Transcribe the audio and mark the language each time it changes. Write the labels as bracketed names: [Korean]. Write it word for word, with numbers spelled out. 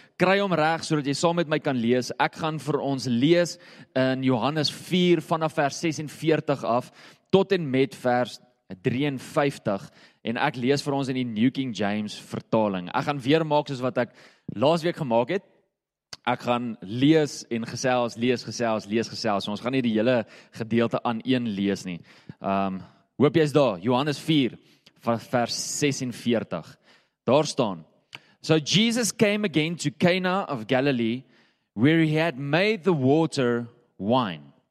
[Afrikaans] Kry hom reg sodat jy saam met my kan lees. Ek gaan vir ons lees in Johannes vier vanaf vers ses en veertig af tot en met vers vyf drie en ek lees vir ons in die New King James vertaling. Ek gaan weer maak soos wat ek laasweek gemaak het. Ek gaan lees en gesels, lees, gesels, lees, gesels. So ons gaan nie die hele gedeelte aan een lees nie. Um, hoop jy is daar, Johannes vier, vers ses en veertig. Daar staan, [English] So Jesus came again to Cana of Galilee, where he had made the water wine.